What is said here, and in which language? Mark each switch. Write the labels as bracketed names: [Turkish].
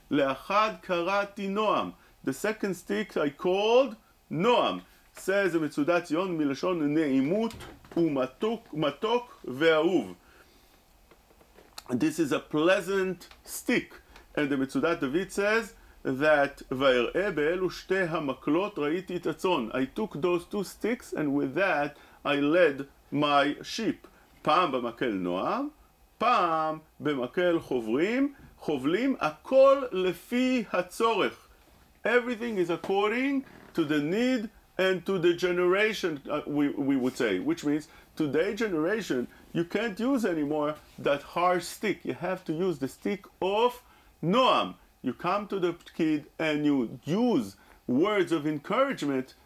[Hebrew] Le'achad karati noam. [English] The second stick I called noam. Says the Metzudat Tzion, [Hebrew] milashon ne'imut u'matok ve'ahuv. [English] This is a pleasant stick. And the Metzudat David says that [Hebrew] ויראה באלו שתי המקלות ראיתי את הצון. [English] I took those two sticks and with that I led my sheep. [Hebrew] פעם במקל נועם, פעם במקל חוברים, חובלים, הכל לפי הצורך. [English] Everything is according to the need and to the generation, we would say, which means today generation, you can't use anymore that harsh stick. You have to use the stick of Noam. You come to the kid and you use words of encouragement.